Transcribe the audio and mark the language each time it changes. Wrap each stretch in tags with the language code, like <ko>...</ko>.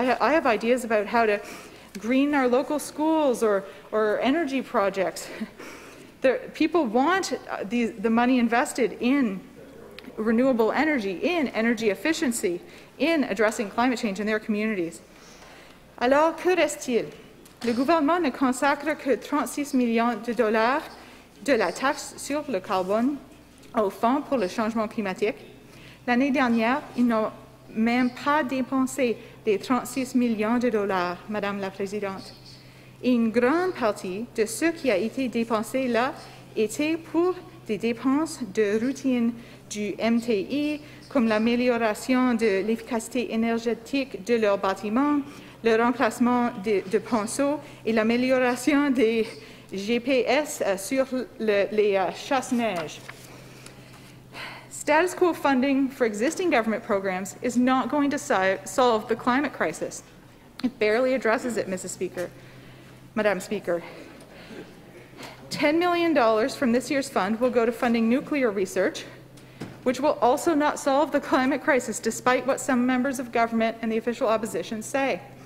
<en>I have ideas about how to green our local schools or energy projects. People want the money invested in renewable energy, in energy efficiency, in addressing climate change in their communities.</en> <fr>Alors, que reste-t-il? Le gouvernement ne consacre que 36 millions de dollars de la taxe sur le carbone au fonds pour le changement climatique. L'année dernière, ils n'ont même pas dépensé les 36 millions de dollars, Madame la Présidente. Et une grande partie de ce qui a été dépensé là était pour des dépenses de routine du MTI, comme l'amélioration de l'efficacité énergétique de leurs bâtiments, le remplacement de ponceaux et l'amélioration des GPS sur les chasse-neige.</fr> <en>Status quo funding for existing government programs is not going to solve the climate crisis. It barely addresses it, Madam Speaker. $10 million from this year's fund will go to funding nuclear research, which will also not solve the climate crisis, despite what some members of government and the official opposition say.</en>